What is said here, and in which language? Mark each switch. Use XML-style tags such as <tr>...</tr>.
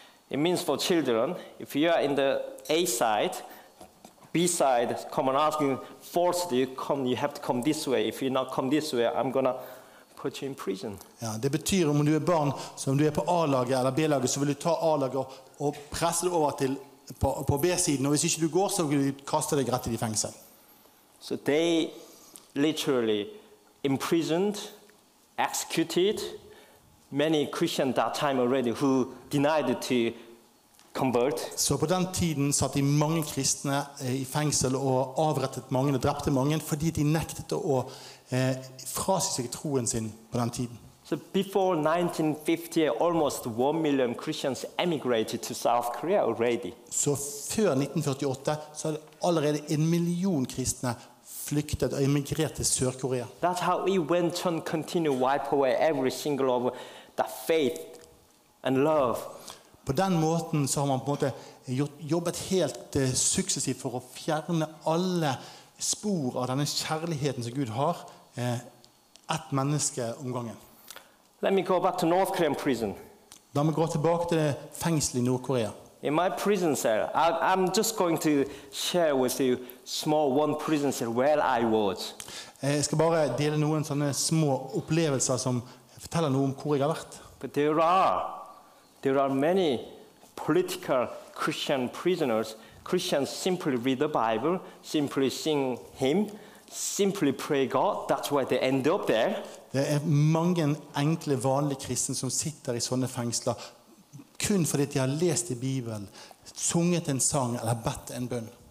<en>It means for children, if you are in the A side, B side, come and asking, forced you come, you have to come this way. If you not come this way, I'm gonna put you in prison.</en> <sv>Ja, det betyder om du är barn, så om du är på A-laget eller B-laget, så vill du ta A-laget och pressa dig över till på B-sidan. Och hvis inte du går, så vill du kasta dig rätt I fängelse.</sv> <en>So they literally imprisoned, executed many Christians that time already who denied to convert.</en> <no>Så på den tiden satt de mange kristne I fengsel og avrettet mange og drepte mange fordi de nektet å frasi seg troen sin på den tiden.</no> <en>So before 1950 almost 1 million Christians emigrated to South Korea already.</en> <no>Så før 1948 så hadde allerede 1 million kristne flyktet og emigrert til Sør-Korea.</no> <en>That's how we went on continue wipe away every single of the faith and love.</en> <no>På den måten så har man på en måte jobbet helt suksessivt for å fjerne alle spor av denne kjærligheten som Gud har ett menneske om gangen.</no> <en>Let me go back to North Korean prison.</en> <no>Da må vi gå tilbake til fengselet I Nord-Korea.</no> <en>In my prison cell, I'm just going to share with you small one prison cell where I was.</en> <no>Jeg skal bare dele noen sånne små opplevelser som forteller noe om hvor jeg har vært.</no> <en>But there are many political Christian prisoners. Christians simply read the Bible, simply sing hymn, simply pray God. That's why they end up there.</en> <no>Det mange enkle vanlige kristne som sitter I sånne fengsler, kun fordi de har lest I Bibelen, sunget en sang eller bedt en bønn.</no>